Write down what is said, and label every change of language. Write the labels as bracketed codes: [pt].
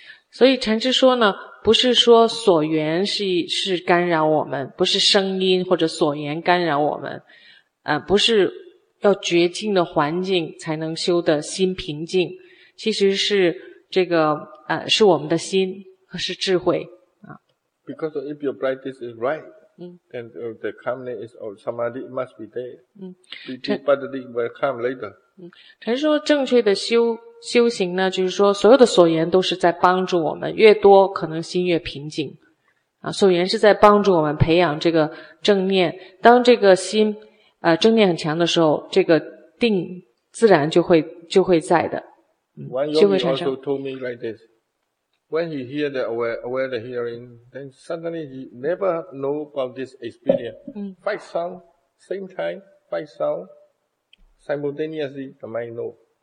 [zh] 所以禅师说呢，不是说所缘是干扰我们，不是声音或者所缘干扰我们，不是要绝境的环境才能修的心平静，其实是这个是我们的心，是智慧啊。 [en] Because if your practice is right, then the calmness is or samadhi must be there. But it will come later. [zh] 禅师说正确的修行呢，就是说所有的所缘都是在帮助我们，越多可能心越平静啊。所缘是在帮助我们培养这个正念，当这个心正念很强的时候，这个定自然就会在的，就会产生。 [en] One yogi also told me like this: when he hear the aware the hearing, then suddenly he never know about this experience. Five sound same time, five sound simultaneously, the mind know.